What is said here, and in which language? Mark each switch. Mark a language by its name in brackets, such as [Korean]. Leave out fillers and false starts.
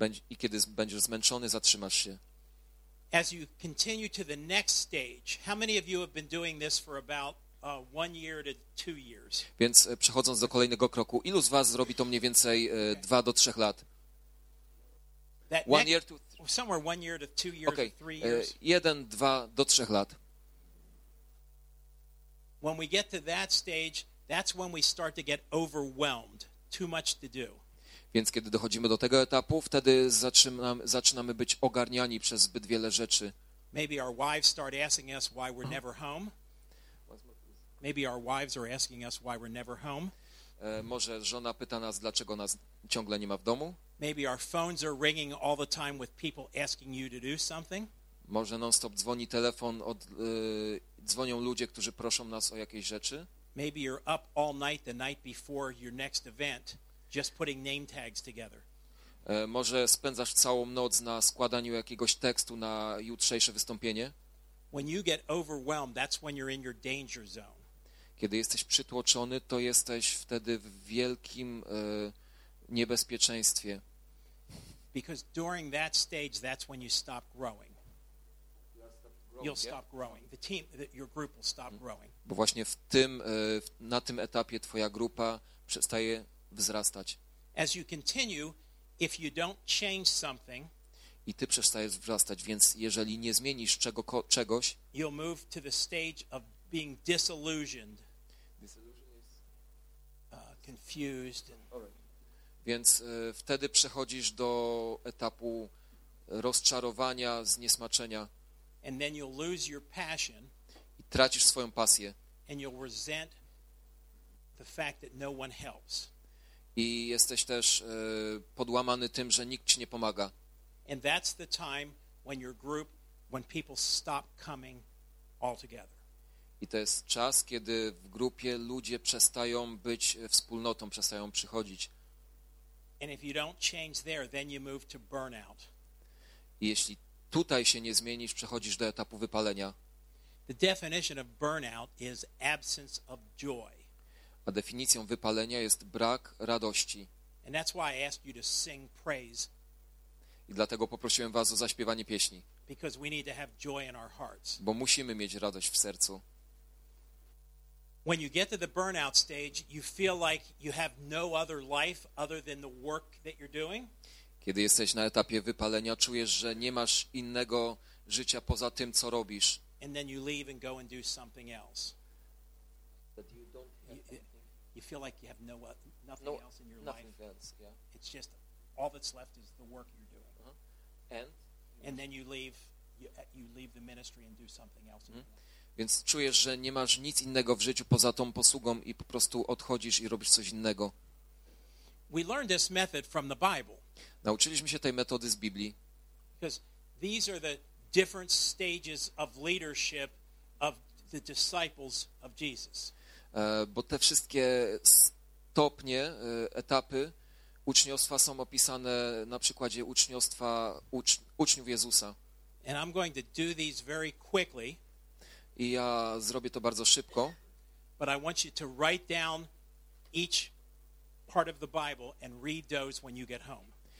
[Polish] I kiedy będziesz zmęczony, zatrzymasz się. [English] As you continue to the next stage, how many of you have been doing this for about 1 year to 2 years? [Polish] Więc przechodząc do kolejnego kroku, ilu z was zrobi to mniej więcej 2 do 3 lat? [English] That one year to somewhere 1 year to 2 years, okay. Or 3 years. [Polish] 1, 2 do 3 lat. [English] When we get to that stage, that's when we start to get overwhelmed. Too much to do. [Polish] Więc kiedy dochodzimy do tego etapu, wtedy zaczynamy być ogarniani przez zbyt wiele rzeczy. [English] Maybe our wives start asking us why we're never home. Maybe our wives are asking us why we're never home. [Polish] Może żona pyta nas, dlaczego nas ciągle nie ma w domu. [English] Maybe our phones are ringing all the time with people asking you to do something. [Polish] Może non-stop dzwoni telefon, dzwonią ludzie, którzy proszą nas o jakieś rzeczy. [English] Maybe you're up all night the night before your next event, just putting name tags together. [Polish] Może spędzasz całą noc na składaniu jakiegoś tekstu na jutrzejsze wystąpienie. [English] When you get overwhelmed, that's when you're in your danger zone. [Polish] Kiedy jesteś przytłoczony, to jesteś wtedy w wielkim niebezpieczeństwie. [English] Because during that stage, that's when you stop growing. You'll stop growing. The team, your group will stop growing. [Polish] Bo właśnie w tym, na tym etapie twoja grupa przestaje wzrastać. [English] As you continue, if you don't change something, [Polish] i ty przestajesz wzrastać, więc jeżeli nie zmienisz czegoś, [English] you'll move to the stage of being disillusioned. Confused. [Polish] Więc wtedy przechodzisz do etapu rozczarowania, zniesmaczenia. [English] And then you'll lose your passion. [Polish] I tracisz swoją pasję. [English] And you'll resent the fact that no one helps. [Polish] I jesteś też podłamany tym, że nikt ci nie pomaga. [English] And that's the time when your group, when people stop coming altogether. [Polish] I to jest czas, kiedy w grupie ludzie przestają być wspólnotą, przestają przychodzić. [English] And if you don't change there, then you move to burnout. [Polish] I jeśli tutaj się nie zmienisz, przechodzisz do etapu wypalenia. [English] The definition of burnout is absence of joy. [Polish] A definicją wypalenia jest brak radości. [English] And that's why I asked you to sing praise. [Polish] I dlatego poprosiłem was o zaśpiewanie pieśni. [English] Because we need to have joy in our hearts. [Polish] Bo musimy mieć radość w sercu. [English] When you get to the burnout stage, you feel like you have no other life other than the work that you're doing. [Polish] Kiedy jesteś na etapie wypalenia, czujesz, że nie masz innego życia poza tym, co robisz. [English] And then you leave and go and do something else. But you don't have anything. You feel like you have nothing else in your nothing life. Else, yeah. It's just all that's left is the work you're doing. And then you leave the ministry and do something else. [Polish] Więc czujesz, że nie masz nic innego w życiu poza tą posługą i po prostu odchodzisz i robisz coś innego. [English] We learned this method from the Bible. [Polish] Nauczyliśmy się tej metody z Biblii. [English] Because these are the different stages of leadership of the disciples of Jesus. [Polish] Bo te wszystkie stopnie, etapy uczniostwa są opisane na przykładzie uczniostwa uczniów Jezusa. [English] And I'm going to do these very quickly. [Polish] I ja zrobię to bardzo szybko. [English] But I want you to write down each part of the Bible and read those when you get home.